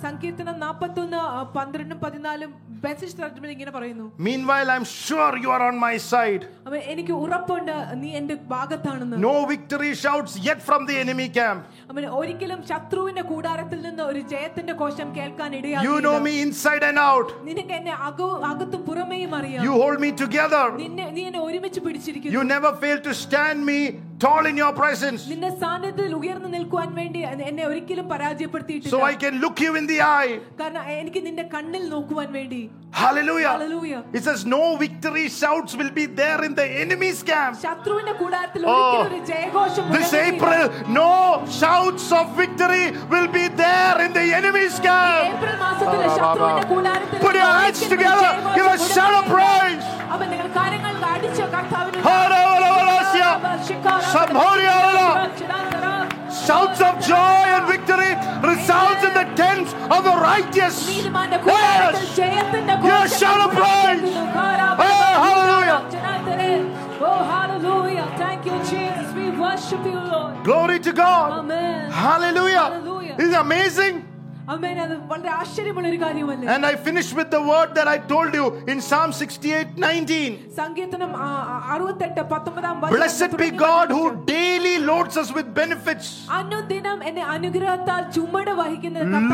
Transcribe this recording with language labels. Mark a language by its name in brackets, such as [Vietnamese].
[Malayalam] സങ്കീർത്തനം 41 12 14 message translation ഇങ്ങനെ പറയുന്നു. [English] Meanwhile I am sure you are on my side. [Malayalam] അവൻ എനിക്ക് ഉറപ്പുണ്ട് നീ എൻ്റെ ഭാഗത്താണെന്ന്. [English] No victory shouts yet from the enemy camp. [Malayalam] അവനെ ഒരിക്കലും ശത്രുവിന്റെ കൂടാരത്തിൽ നിന്ന് ഒരു ജയത്തിന്റെ കോശം കേൾക്കാൻ ഇടയാകില്ല. [English] You know me inside and out. [Malayalam] നിനക്ക് എന്നെ അകത്തും പുറമേയും അറിയാം. [English] You hold me together. [Malayalam] നീ എന്നെ ഒരുമിച്ച് പിടിച്ചിരിക്കുന്നു. [English] You never fail to stand me tall in your presence. [Malayalam] നിന്റെ സാന്നിധ്യത്തിൽ ഉയർന്നു നിൽക്കാൻ വേണ്ടി എന്നെ ഒരിക്കലും പരാജയപ്പെടുത്തിയിട്ടില്ല. [English] So I can look you in the eye. [Malayalam] കാരണം എനിക്ക് നിന്റെ കണ്ണിൽ നോക്കുവാൻ വേണ്ടി. [English] Hallelujah. Hallelujah. It says no victory shouts will be there in the enemy's camp. [Malayalam] ശത്രുവിന്റെ കൂടാരത്തിൽ ഒരിക്കലും ഒരു ജയഘോഷം മുഴങ്ങില്ല. [English] This April no shouts of victory will be there in the enemy's camp. [Malayalam] April മാസത്തിലെ ശത്രുവിന്റെ കൂടാരത്തിൽ. [English] Put your hands together. Give a shout of praise. [Malayalam] അവൻ നിങ്ങൾ കാര്യങ്ങൾ കാണിച്ച കർത്താവിന്. Hallelujah. സംഹോരിയാലോ. [English] Shouts of joy and victory resounds in the tents of the righteous. Yes. Yes, shout of praise. Hey, hallelujah. Oh, hallelujah. Thank you, Jesus. We worship you, Lord. Glory to God. Amen. Hallelujah. Hallelujah. This is amazing. Amen. [Malayalam] അത് വളരെ ആശ്ചര്യമുള്ള ഒരു കാര്യമല്ലേ. [English] And I finish with the word that I told you in Psalm 68:19. [Malayalam] സംഗീതം 68:19 വചനം. [English] Blessed be God who daily loads us with benefits. [Malayalam] അനുദിനം എന്നെ അനുഗ്രഹത്താൽ ചുമട് വഹിക്കുന്ന കർത്താവ്.